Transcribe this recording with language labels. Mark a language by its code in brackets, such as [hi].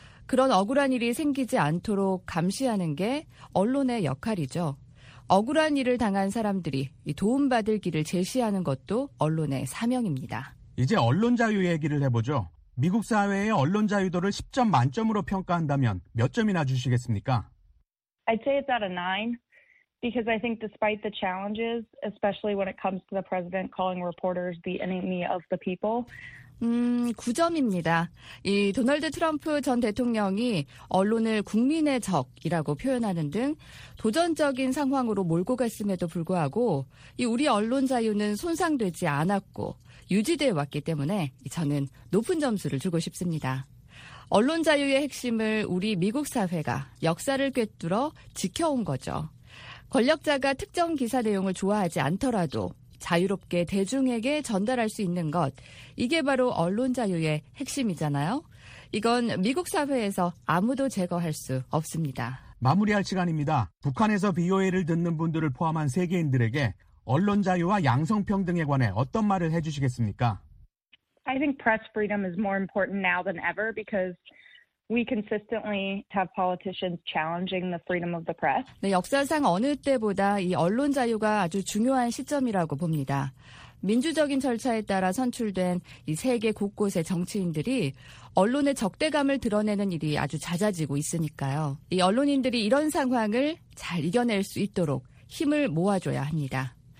[ko] 그런 억울한 일이 생기지 않도록 감시하는 게 언론의 역할이죠. 억울한 일을 당한 사람들이 도움받을 길을 제시하는 것도 언론의 사명입니다. 이제 언론 자유 얘기를 해보죠. 미국 사회의 언론 자유도를 10점 만점으로 평가한다면 몇 점이나 주시겠습니까? [en] I'd say it's at a 9 because I think despite the challenges, especially when it comes to the president calling reporters the enemy of the people, [ko] 9점입니다. 이 도널드 트럼프 전 대통령이 언론을 국민의 적이라고 표현하는 등 도전적인 상황으로 몰고 갔음에도 불구하고 이 우리 언론 자유는 손상되지 않았고 유지되어 왔기 때문에 저는 높은 점수를 주고 싶습니다. 언론 자유의 핵심을 우리 미국 사회가 역사를 꿰뚫어 지켜온 거죠. 권력자가 특정 기사 내용을 좋아하지 않더라도 자유롭게 대중에게 전달할 수 있는 것, 이게 바로 언론 자유의 핵심이잖아요. 이건 미국 사회에서 아무도 제거할 수 없습니다. 마무리할 시간입니다. 북한에서 BOA를 듣는 분들을 포함한 세계인들에게 언론 자유와 양성평등에 관해 어떤 말을 해주시겠습니까? [en] I think press freedom is more important now than ever because we consistently have politicians challenging the freedom of the press. [ko] 네, 역사상 어느 때보다 이 언론 자유가 아주 중요한 시점이라고 봅니다. 민주적인 절차에 따라 선출된 이 세계 곳곳의 정치인들이 언론의 적대감을 드러내는 일이 아주 잦아지고 있으니까요. 이 언론인들이 이런 상황을 잘 이겨낼 수 있도록 힘을 모아줘야 합니다.